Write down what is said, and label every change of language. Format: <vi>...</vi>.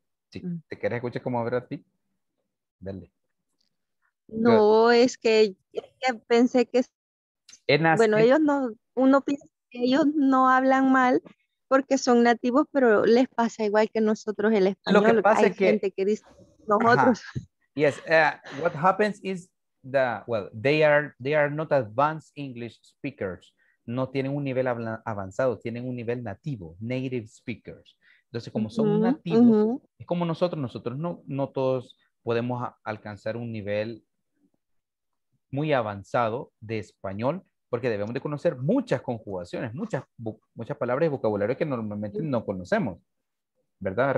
<es>Si te quieres escuchar como ver a ti, dale. No, es que pensé que uno piensa que ellos no hablan mal porque son nativos, pero les pasa igual que nosotros el español. Lo que pasa hay es que gente que dice nosotros. Uh-huh.</es> <en>Yes, what happens is they are not advanced English speakers.</en> <es>No tienen un nivel avanzado, tienen un nivel nativo,</es> <en>native speakers.</en> <es>Entonces, como son nativos, uh-huh. Es como nosotros no todos podemos alcanzar un nivel muy avanzado de español, porque debemos de conocer muchas conjugaciones, muchas palabras y vocabulario que normalmente no conocemos, ¿verdad?</es>